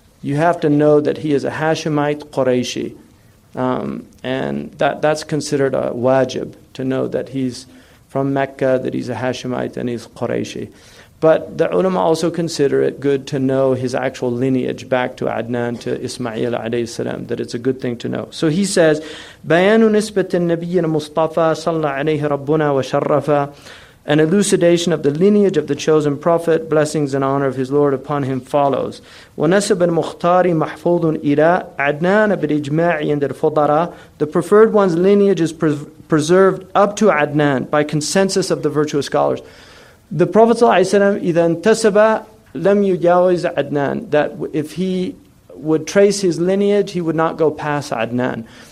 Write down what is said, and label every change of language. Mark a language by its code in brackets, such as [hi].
[en] You have to know that he is a Hashimite Qurayshi. And that's considered a wajib, to know that he's from Mecca, that he's a Hashimite, and he's Qurayshi. But the ulama also consider it good to know his actual lineage back to Adnan, to Ismail alayhi salam, that it's a good thing to know. So he says, [ar] بَيَانُ نِسْبَةِ النَّبِيِّنَ مُصْطَفَى صَلَّى عَلَيْهِ رَبُّنَا وَشَرَّفَى. [en] An elucidation of the lineage of the chosen prophet, blessings and honor of his Lord upon him, follows. [ar] وَنَسَبَ الْمُخْتَارِ مَحْفُوظٌ إِلَىٰ عَدْنَانَ بِالْإِجْمَاعِ عِنْدِ الْفُضَرَىٰ. [en] The preferred one's lineage is preserved up to Adnan by consensus of the virtuous scholars. The Prophet ﷺ, [ar] إِذَا انْتَسَبَ لَمْ يُجَاوِزْ عَدْنَان. [en] That if he would trace his lineage, he would not go past Adnan.